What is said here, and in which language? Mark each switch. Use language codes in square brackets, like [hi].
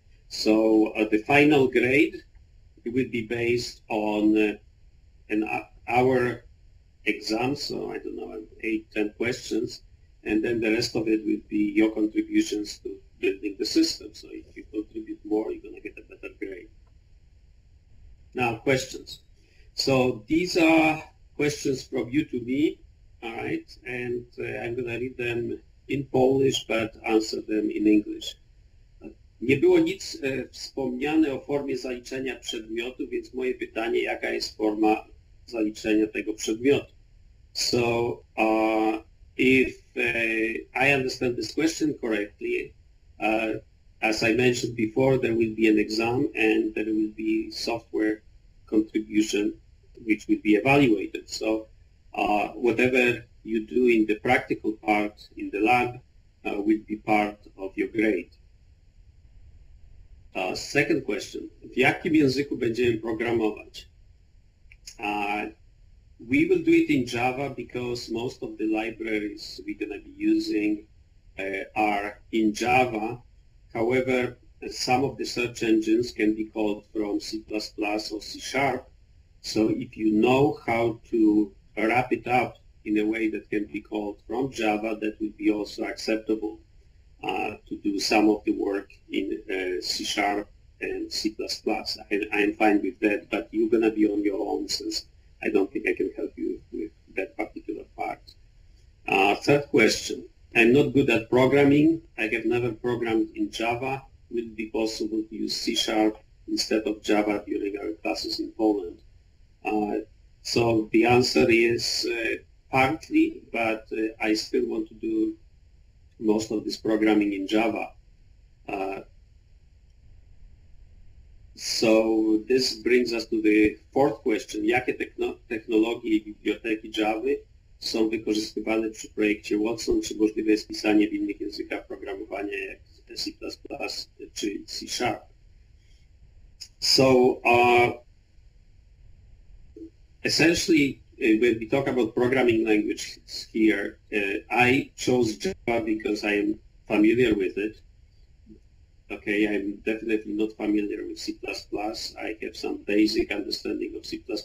[en] So the final grade, it will be based on our exam, so I don't know, 8-10 questions, and then the rest of it will be your contributions to building the system. So if you contribute more, you're going to get a better grade. Now, questions. So these are questions from you to me, all right? And I'm going to read them in Polish, but answer them in English. [pl] Nie było nic wspomniane o formie zaliczenia przedmiotu, więc moje pytanie, jaka jest forma zaliczenia tego przedmiotu? [en] So, if I understand this question correctly, as I mentioned before, there will be an exam and there will be software contribution which will be evaluated. So, whatever you do in the practical part in the lab will be part of your grade. Second question, [pl] w jakim języku będziemy programować? [en] We will do it in Java because most of the libraries we're going to be using are in Java. However, some of the search engines can be called from C++ or C#. So if you know how to wrap it up in a way that can be called from Java, that would be also acceptable to do some of the work in C# and C++. I'm fine with that, but you're going to be on your own since I don't think I can help you with that particular part. Third question. I'm not good at programming. I have never programmed in Java. Would it be possible to use C# instead of Java during our classes in Poland? So the answer is partly, but I still want to do most of this programming in Java. So this brings us to the fourth question. [pl] Jakie technologie i biblioteki Java są wykorzystywane przy projekcie Watson? Czy możliwe jest pisanie w innych językach programowania jak C++ czy C#? [en] So essentially, when we talk about programming languages here, I chose Java because I am familiar with it. Okay, I'm definitely not familiar with C++. I have some basic understanding of C++.